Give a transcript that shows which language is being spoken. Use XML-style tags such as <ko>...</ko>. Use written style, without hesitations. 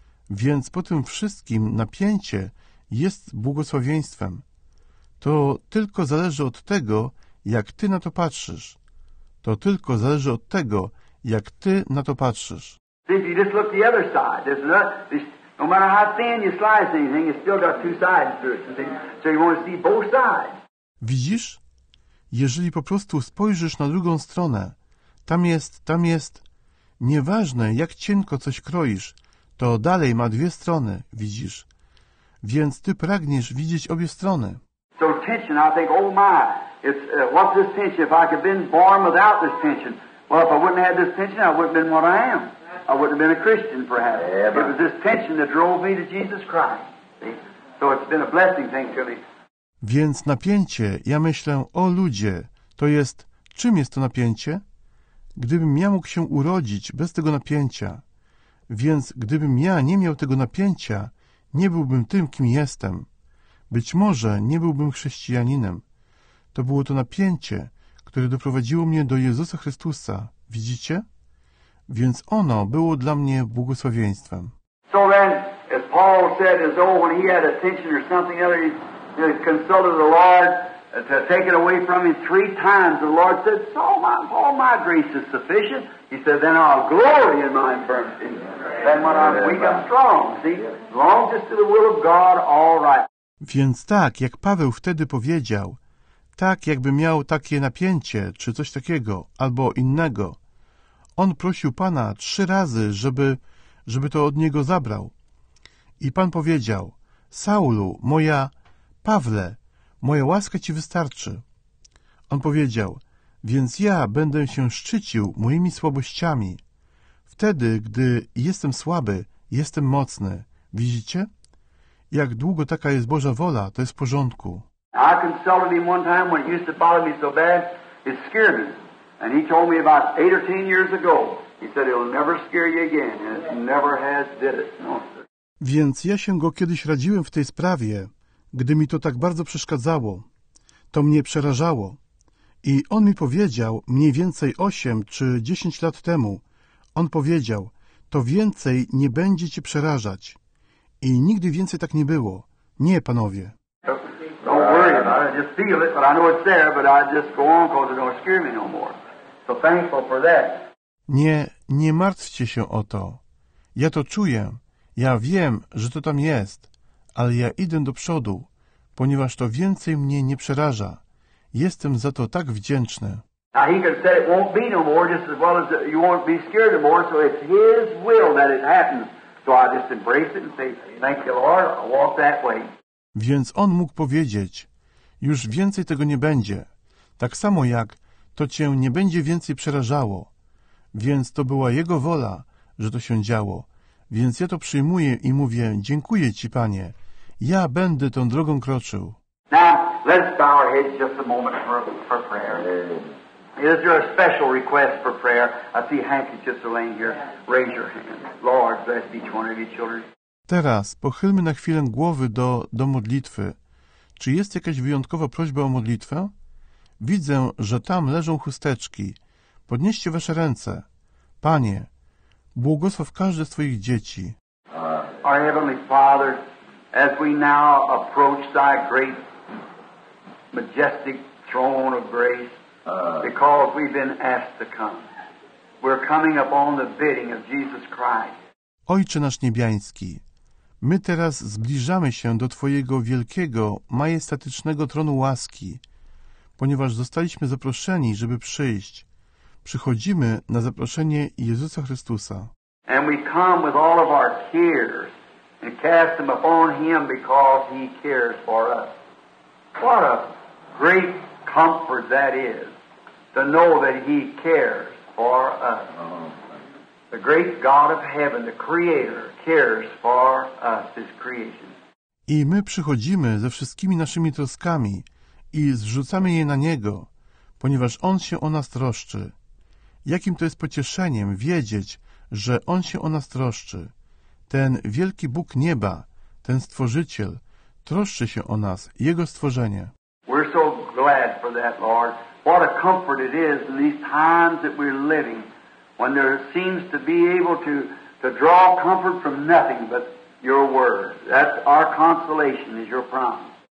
<pl>Więc po tym wszystkim napięcie jest błogosławieństwem. To tylko zależy od tego, jak Ty na to patrzysz. To tylko zależy od tego, jak ty na to patrzysz.</pl> <en>See, if you just look the other side, no matter how thin you slice anything, it's still got two sides to it. So you want to see both sides.</en> <pl>Widzisz? Jeżeli po prostu spojrzysz na drugą stronę, tam jest, nieważne jak cienko coś kroisz, to dalej ma dwie strony, widzisz? Więc ty pragniesz widzieć obie strony.</pl> <en>So tension, I think, oh my, it's, what's this tension? If I could have been born without this tension. Well, if I wouldn't have had this tension, I wouldn't have been what I am. I wouldn't have been a Christian, perhaps. Yeah, it was this tension that drove me to Jesus Christ. See? So it's been a blessing thing to me.</en> <pl>Więc napięcie, ja myślę, o ludzie, to jest, czym jest to napięcie? Gdybym ja mógł się urodzić bez tego napięcia, więc gdybym ja nie miał tego napięcia, nie byłbym tym, kim jestem. Być może nie byłbym chrześcijaninem. To było to napięcie, które doprowadziło mnie do Jezusa Chrystusa. Widzicie? Więc ono było dla mnie błogosławieństwem.</pl> <en>So then, as Paul said, as though when he had a tension or something other, he consulted the Lord to take it away from him three times. The Lord said, so all my grace is sufficient. He said, then I'll glory in my infirmity. Then when I'm weak, I'm strong. See? Long just to the will of God, all right.</en> <pl>Więc tak, jak Paweł wtedy powiedział, tak, jakby miał takie napięcie, czy coś takiego, albo innego. On prosił Pana trzy razy, żeby to od niego zabrał. I Pan powiedział, Saulu, moja, Pawle, moja łaska ci wystarczy. On powiedział, więc ja będę się szczycił moimi słabościami. Wtedy, gdy jestem słaby, jestem mocny. Widzicie? Jak długo taka jest Boża wola, to jest w porządku.</pl> <en>I consulted him one time when it used to bother me so bad, it scared me. And he told me about 8 or 10 years ago, he said, it'll never scare you again, and it never has did it. No, sir.</en> <pl>Więc ja się go kiedyś radziłem w tej sprawie, gdy mi to tak bardzo przeszkadzało. To mnie przerażało. I on mi powiedział, mniej więcej 8 czy 10 lat temu, on powiedział, to więcej nie będzie cię przerażać. I nigdy więcej tak nie było. Nie, panowie.</pl> <en>I just feel it, but I know it's there, but I just go on because it don't scare me no more. So thankful for that.</en> <pl>Nie martwcie się o to. Ja to czuję. Ja wiem, że to tam jest, ale ja idę do przodu, ponieważ to więcej mnie nie przeraża. Jestem za to tak wdzięczny.</pl> <en>Now he could say it won't be no more, just as well as you won't be scared no more, so it's his will that it happens. So I just embrace it and say, thank you, Lord, I'll walk that way.</en> <pl>Więc on mógł powiedzieć, już więcej tego nie będzie, tak samo jak to cię nie będzie więcej przerażało. Więc to była jego wola, że to się działo. Więc ja to przyjmuję i mówię, dziękuję ci, Panie. Ja będę tą drogą kroczył.</pl> <en>Now, let's bow our heads just a moment for prayer. Is there a special request for prayer? I see handkerchiefs are laying here. Raise your hand. Lord, bless each one of you children.</en> <pl>Teraz pochylmy na chwilę głowy do modlitwy. Czy jest jakaś wyjątkowa prośba o modlitwę? Widzę, że tam leżą chusteczki. Podnieście wasze ręce. Panie, błogosław każde z Twoich dzieci.</pl> <en>Our Heavenly Father, as we now approach Thy great, majestic throne of grace, because we've been asked to come, we're coming upon the bidding of Jesus Christ.</en> <pl>Ojcze nasz niebiański, my teraz zbliżamy się do Twojego wielkiego, majestatycznego tronu łaski, ponieważ zostaliśmy zaproszeni, żeby przyjść. Przychodzimy na zaproszenie Jezusa Chrystusa.</pl> <en>And we come with all of our cares and cast them upon him because he cares for us. What a great comfort that is, to know that he cares for us. The great God of heaven, the Creator, cares for us, his creation.</en> <pl>I my przychodzimy ze wszystkimi naszymi troskami i zrzucamy je na Niego, ponieważ On się o nas troszczy. Jakim to jest pocieszeniem wiedzieć, że On się o nas troszczy. Ten wielki Bóg nieba, ten Stworzyciel, troszczy się o nas, Jego stworzenie.</pl> <en>We're so glad for that, Lord. What a comfort it is in these times that we're living, when there seems to be able to draw comfort from nothing but Your word. That's our consolation, is your promise.</en>